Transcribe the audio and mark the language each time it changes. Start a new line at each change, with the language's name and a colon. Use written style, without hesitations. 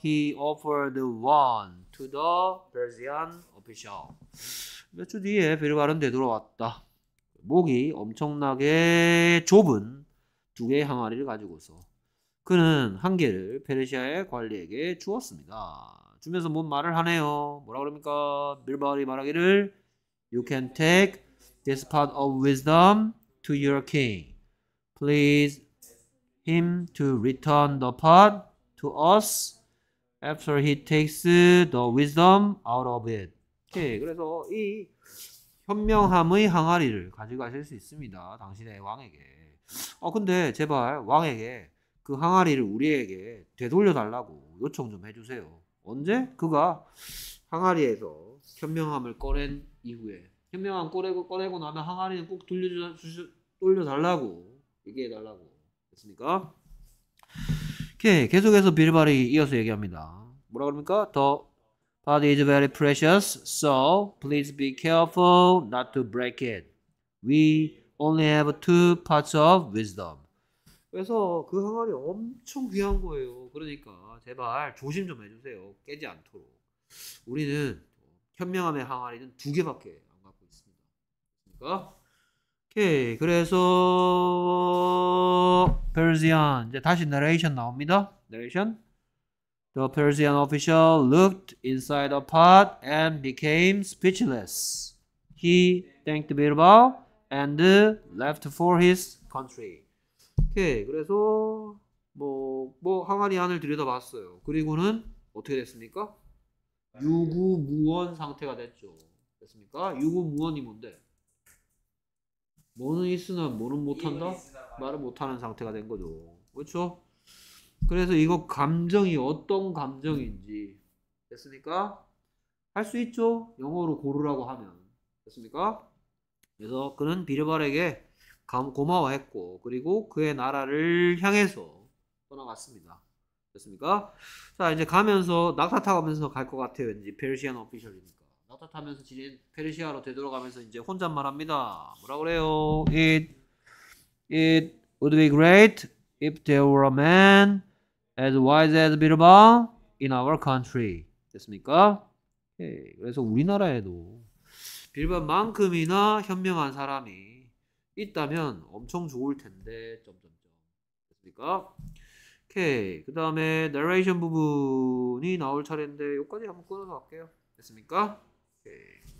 English: He offered one to the Persian official.
Korean: 몇 주 뒤에 베르바른데 돌아왔다. 목이 엄청나게 좁은 두 개의 항아리를 가지고서 그는 한 개를 페르시아의 관리에게 주었습니다. 주면서 뭔 말을 하네요. 뭐라 그럽니까? 빌바울이 말하기를
English: You can take this part of wisdom to your king. Please him to return the part to us after he takes the wisdom out of it.
Korean: 오케이. 그래서 이 현명함의 항아리를 가져가실 수 있습니다. 당신의 왕에게. 근데 제발 왕에게 그 항아리를 우리에게 되돌려 달라고 요청 좀 해주세요. 언제? 그가 항아리에서 현명함을 꺼낸 이후에 현명함 꺼내고 나면 항아리는 꼭 돌려달라고 얘기해 달라고 했습니까? 오케이. 계속해서 빌발이 이어서 얘기합니다. 뭐라 그럽니까?
English: The part is very precious, so please be careful not to break it. We only have two parts of wisdom.
Korean: 그래서 그 항아리 엄청 귀한 거예요. 그러니까 제발 조심 좀 해주세요. 깨지 않도록. 우리는 현명함의 항아리는 두 개밖에 안 갖고 있습니다. 그러니까 오케이. 그래서 Persian 이제 다시 narration 나옵니다. Narration.
English: The Persian official looked inside the pot and became speechless. He thanked Birbal and left for his country.
Korean: 오케이. 그래서 뭐 항아리 안을 들여다봤어요. 그리고는 어떻게 됐습니까? 유구무원 상태가 됐죠. 됐습니까? 유구무원이 뭔데? 뭐는 있으나 뭐는 못한다? 말을 못하는 상태가 된 거죠. 그렇죠? 그래서 이거 감정이 어떤 감정인지 됐습니까? 할 수 있죠? 영어로 고르라고 하면 됐습니까? 그래서 그는 비르발에게 고마워했고 그리고 그의 나라를 향해서 떠나갔습니다. 됐습니까? 자 이제 가면서 낙타 타가면서 갈 것 같아요. 왠지 페르시안 오피셜이니까 낙타 타면서 지린 페르시아로 되돌아가면서 이제 혼잣말합니다. 뭐라 그래요?
English: It would be great if there were a man as wise as Birbal in our country.
Korean: 됐습니까? 네. 그래서 우리나라에도 빌바만큼이나 현명한 사람이 있다면 엄청 좋을 텐데 점점점 됐습니까? 오케이. 그 다음에 narration 부분이 나올 차례인데 여기까지 한번 끊어서 갈게요. 됐습니까? 오케이.